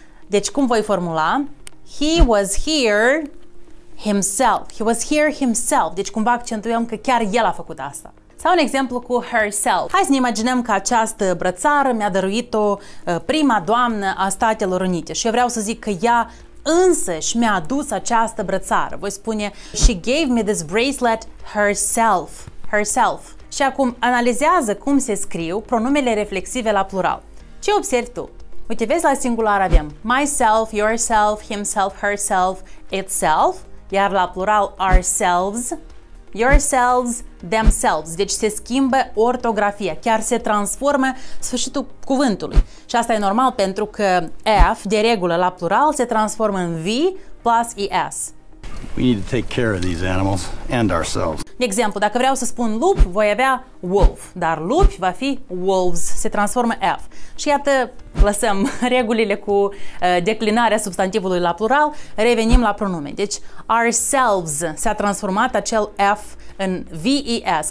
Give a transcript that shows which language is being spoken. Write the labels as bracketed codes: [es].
[ro] Deci, cum voi formula? [en] He was here himself. He was here himself. [ro] Deci, cumva accentuăm că chiar el a făcut asta. Sau un exemplu cu herself. Hai să ne imaginăm că această brățară mi-a dăruit-o prima doamnă a Statelor Unite. Și eu vreau să zic că ea însăși mi-a adus această brățară. Voi spune, [en] she gave me this bracelet herself. Herself. [ro] Și acum, analizează cum se scriu pronumele reflexive la plural. Ce observi tu? Uite, vezi, la singular avem myself, yourself, himself, herself, itself, iar la plural ourselves, yourselves, themselves. Deci se schimbă ortografia, chiar se transformă sfârșitul cuvântului. Și asta e normal pentru că F, de regulă, la plural, se transformă în V plus ES. [en] We need to take care of these animals and ourselves. [ro] De exemplu, dacă vreau să spun lup, voi avea wolf, dar lup va fi wolves, se transformă F. Și iată, lăsăm regulile cu declinarea substantivului la plural, revenim la pronume. Deci, ourselves, s-a transformat acel F în V-E-S.